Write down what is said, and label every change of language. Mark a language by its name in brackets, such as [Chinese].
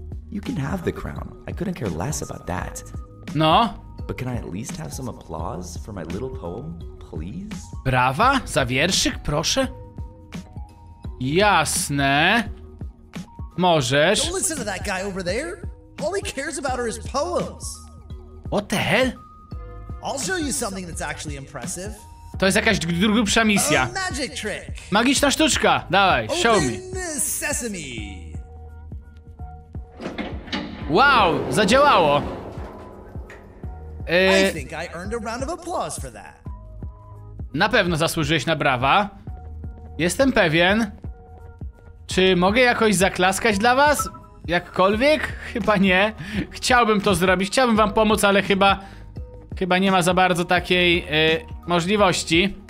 [English] You can have the crown. I couldn't care less about that. No, but can I at least have some applause for my little poem, please? [Polish] Brawa za wierszyk, proszę. Jasne. Możesz. [English] Don't listen to that guy over there. All he cares about are his poems. What the hell? I'll show you something that's actually impressive. [Polish] To jest jakaś grubsza misja. [English] A magic trick. [Polish] Magiczna sztuczka. Dawaj, [English] show me. Open sesame. [Polish] Wow, zadziałało. [English] I think I earned a round of applause for that. [Polish] Na pewno zasłużyłeś na brawa. Jestem pewien. Czy mogę jakoś zaklaskać dla was? Jakkolwiek? Chyba nie. Chciałbym to zrobić, chciałbym wam pomóc, ale chyba... Chyba nie ma za bardzo takiej możliwości.